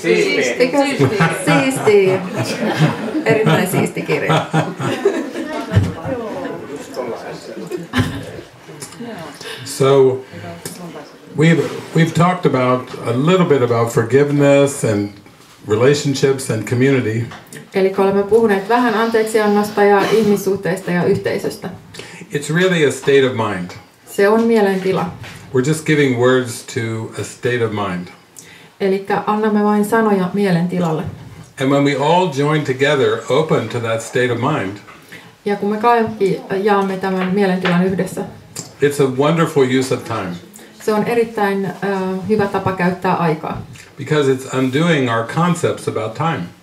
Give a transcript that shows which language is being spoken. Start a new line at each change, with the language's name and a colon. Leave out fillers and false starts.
Finnish: Siisti. Erittäin siisti kirja.
English: So we've talked about a little bit about forgiveness and relationships and community.
Finnish: Eli olemme puhuneet vähän anteeksiannosta ja ihmissuhteista ja yhteisöstä.
English: It's really a state of mind.
Finnish: Se on mielentila.
English: We're just giving words to a state of mind.
Finnish: Eli annamme vain sanoja mielentilalle.
English: And when we all join together open to that state of mind.
Finnish: Ja kun me kaikki jaamme tämän mielentilan yhdessä.
English: It's a wonderful use of time.
Finnish: Se on erittäin hyvä tapa käyttää aikaa.
English: Because it's undoing our concepts about time.